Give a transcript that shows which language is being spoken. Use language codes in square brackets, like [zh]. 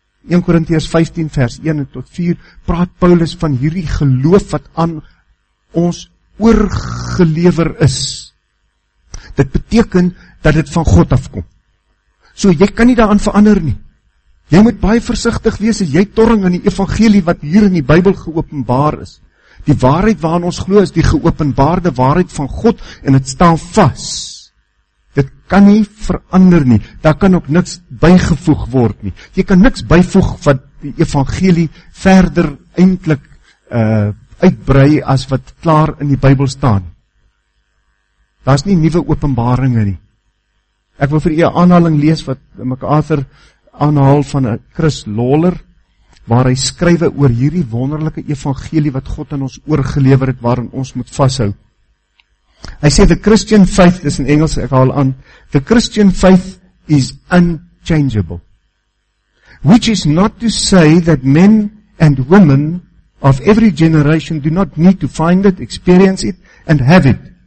[af] 1 Korintiërs 15 vers 1 en tot 4, praat Paulus van hierdie geloof wat aan ons oorgelewer is. Dit beteken dat dit van God afkom. So jy kan nie daaraan verander nie. Jy moet baie versigtig wees as jy torring aan die evangelie wat hier in die Bybel geopenbaar is. Die waarheid waarin ons glo is die geopenbaarde waarheid van God, en het staan vas. Dit kan nie verander nie, daar kan ook niks bygevoeg word nie. Jy kan niks bygevoeg wat die evangelie verder eintlik uitbrei as wat klaar in die Bybel staan. Daar is nie nuwe openbaringe nie. Ek wil vir u 'n aanhaling lees wat MacArthur aanhaal van Chris Lawler, waar hy skrywe oor hierdie wonderlike evangelie wat God aan ons oorgelewer het, waarin ons moet vashou. Hy sê, [en] the Christian faith, [af] dis in Engels, ek haal aan, [en] the Christian faith is unchangeable, which is not to say that men and women of every generation do not need to find it, experience it, and have it.